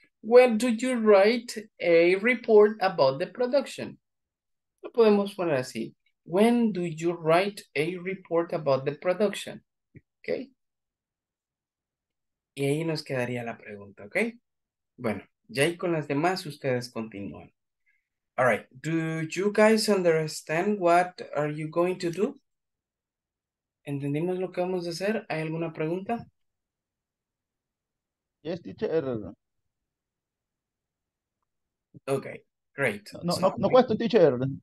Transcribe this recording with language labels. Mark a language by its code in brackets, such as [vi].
[en] When do you write a report about the production? [es] Lo podemos poner así. [en] When do you write a report about the production? [es] Ok. Y ahí nos quedaría la pregunta, ok. Bueno, ya ahí con las demás ustedes continúan. [en] All right. Do you guys understand what are you going to do? [es] ¿Entendimos lo que vamos a hacer? ¿Hay alguna pregunta? [en] Yes, teacher. Ok, great. [es] No cuesta, teacher.